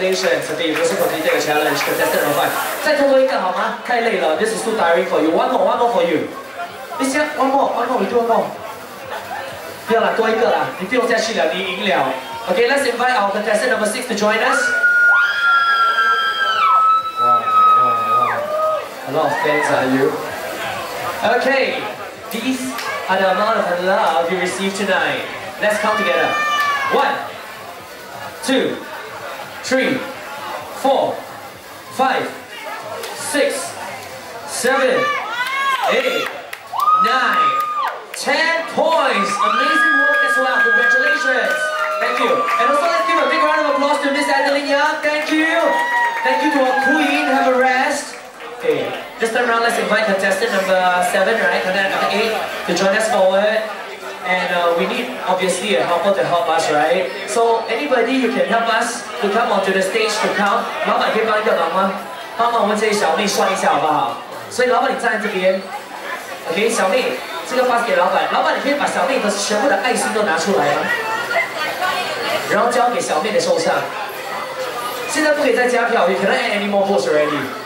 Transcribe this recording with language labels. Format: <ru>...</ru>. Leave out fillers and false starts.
<en>Congratulations, okay, you've also completed the challenge, contestant number 5. This is too tiring for you. One more for you. This year, one more, we do one more.</en> <zh>不要啦,多一个啦,你不用再去了,你赢了。</zh> <en>Okay, let's invite our contestant number 6 to join us. Wow. A lot of fans are you. Okay, these are the amount of love you received tonight. Let's count together. 1, 2, 3, 4, 5, 6, 7, 8, 9, 10 points. Amazing work as well. Congratulations. Thank you. And also let's give a big round of applause to Miss Adeline Young. Thank you. Thank you to our queen. Have a rest. Okay. This time around, let's invite contestant number 7, right? Contestant number 8 to join us forward. And we need, obviously, a helper to help us, right? So anybody who can help us to come onto the stage to count,</en> <zh>老板可以帮一个忙吗? 帮忙我们这些小妹算一下好不好? 所以老板你站在这边。Okay, 小妹, 这个pass给老板。老板你可以把小妹的全部的爱心都拿出来吗? 然后交给小妹的手上。现在不可以再加票,</zh> <en>you cannot add any more votes already.</en>